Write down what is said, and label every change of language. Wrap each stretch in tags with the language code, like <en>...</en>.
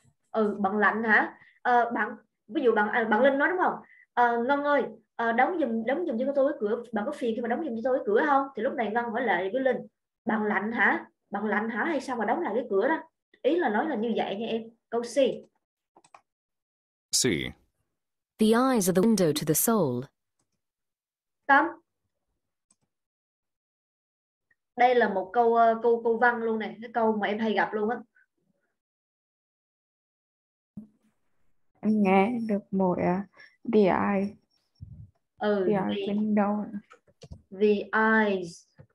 <vi>Ừ, bạn lạnh hả? À, bạn ví dụ bạn bạn Linh nói đúng không? À, Ngân ơi, à, đóng giùm cho tôi cái cửa. Bạn có phiền khi mà đóng giùm cho tôi cái cửa không? Thì lúc này Ngân hỏi lại với Linh. Bạn lạnh hả? Bạn lạnh hả hay sao mà đóng lại cái cửa đó? Ý là nói là như vậy nha em. Câu C.</vi> <en>C. The eyes are the window to the soul.</en> <vi>Tâm. Đây là một câu câu văn luôn này, cái câu mà em hay gặp luôn á. Anh nghe được mỗi</vi> <en>the eye. Ừ, the window. The eyes.</en>